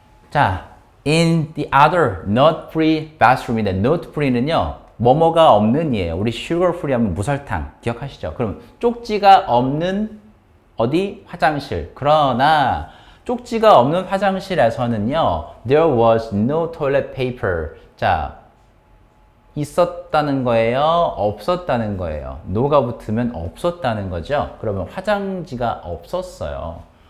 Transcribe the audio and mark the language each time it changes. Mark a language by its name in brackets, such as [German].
[English] 자, in the other nut free bathroom인데 nut free는요 [Korean] 뭐뭐가 없는 이에요. 우리 sugar free 하면 무설탕 기억하시죠? 그럼 쪽지가 없는 어디? 화장실. 그러나 쪽지가 없는 화장실에서는요 [English] there was no toilet paper. [Korean] 자, 있었다는 거예요? 없었다는 거예요? no가 붙으면 없었다는 거죠. 그러면 화장지가 없었어요.